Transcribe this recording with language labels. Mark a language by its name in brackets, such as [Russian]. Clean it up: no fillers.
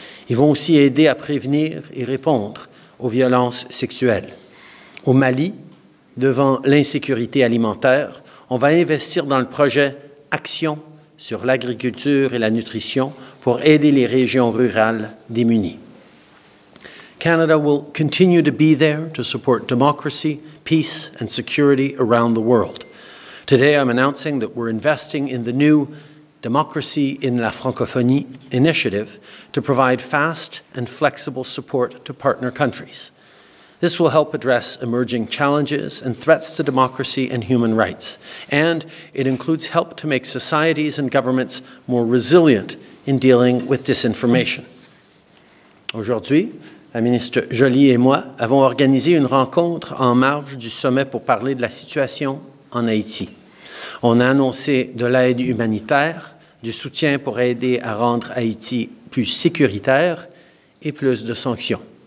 [French] Ils vont aussi aider à prévenir et répondre aux violences sexuelles. Au Mali, devant l'insécurité alimentaire, on va investir dans le projet Action sur l'agriculture et la nutrition pour aider les régions rurales démunies. [English] Canada will continue to be there to support democracy, peace and security around the world. Today I'm announcing that we're investing in the new Democracy in la Francophonie initiative to provide fast and flexible support to partner countries. This will help address emerging challenges and threats to democracy and human rights, and it includes help to make societies and governments more resilient in dealing with disinformation. [French] Aujourd'hui, la ministre Joly et moi avons organisé une rencontre en marge du sommet pour parler de la situation en Haïti. On a annoncé de l'aide humanitaire, du soutien pour aider à rendre Haïti plus sécuritaire et plus de sanctions.